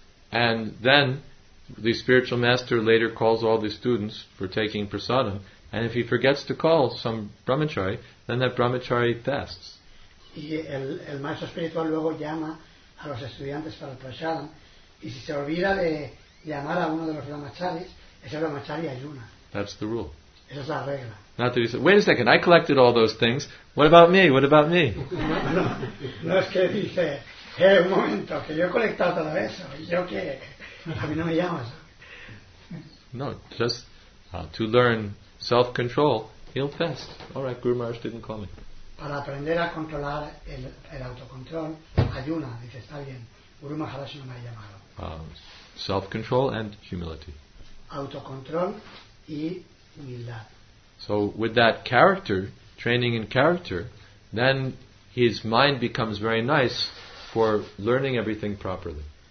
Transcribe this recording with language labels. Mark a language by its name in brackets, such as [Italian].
[English] And then the spiritual master later calls all the students for taking prasadam. And if he forgets to call some brahmachari, then that brahmachari fasts. [Spanish] Y el maestro espiritual luego llama a los estudiantes para el prasadam. Y si se olvida de llamar a uno de los brahmacharis, ese brahmachari ayuna. [English] That's the rule. [Spanish] Esa es la regla. [English] Not that he said, wait a second, I collected all those things. What about me? What about me? [Spanish] No, es que dice, hey, un momento, que yo he colectado todo eso. ¿Yo qué? A mí no me llamas. [English] No, just to learn self-control, he'll fast. All right, Guru Maharaj didn't call me. [Spanish] Para aprender a controlar el autocontrol, ayuna, dice, está bien. Guru Maharaj no me ha llamado. [English] Self-control and humility. [Spanish] Autocontrol y humildad. [English] So with that character, training in character, then his mind becomes very nice for learning everything properly.